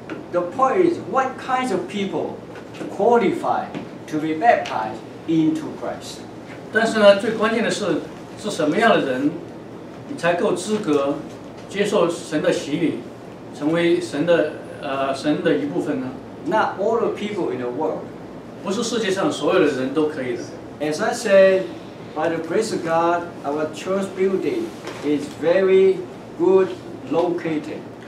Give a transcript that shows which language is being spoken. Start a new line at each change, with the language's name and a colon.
English: The point is, what kinds of people qualify to be baptized into Christ?
Chinese: 但是呢，最关键的是，是什么样的人，你才够资格接受神的洗礼，成为神的一部分呢？
English: Not all the people in the world.
Chinese: 不是世界上所有的人都可以的。
English: As I said, by the grace of God, our church building is very good located.